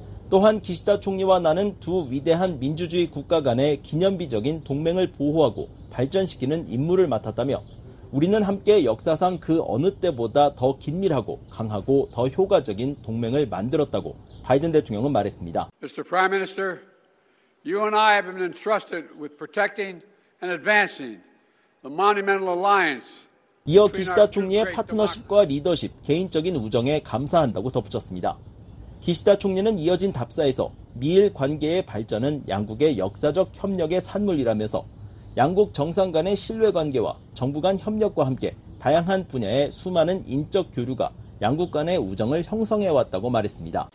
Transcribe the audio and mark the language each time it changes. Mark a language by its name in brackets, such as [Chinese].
[Korean] 또한 기시다 총리와 나는 두 위대한 민주주의 국가 간의 기념비적인 동맹을 보호하고 발전시키는 임무를 맡았다며 우리는 함께 역사상 그 어느 때보다 더 긴밀하고 강하고 더 효과적인 동맹을 만들었다고 바이든 대통령은 말했습니다. [English] Mr. Prime Minister, you and I have been entrusted with protecting and advancing the monumental alliance [Korean] 이어 기시다 총리의 파트너십과 리더십, 개인적인 우정에 감사한다고 덧붙였습니다. 기시다 총리는 이어진 답사에서 미일 관계의 발전은 양국의 역사적 협력의 산물이라면서 양국 정상 간의 신뢰관계와 정부 간 협력과 함께 다양한 분야의 수많은 인적 교류가 양국 간의 우정을 형성해왔다고 말했습니다.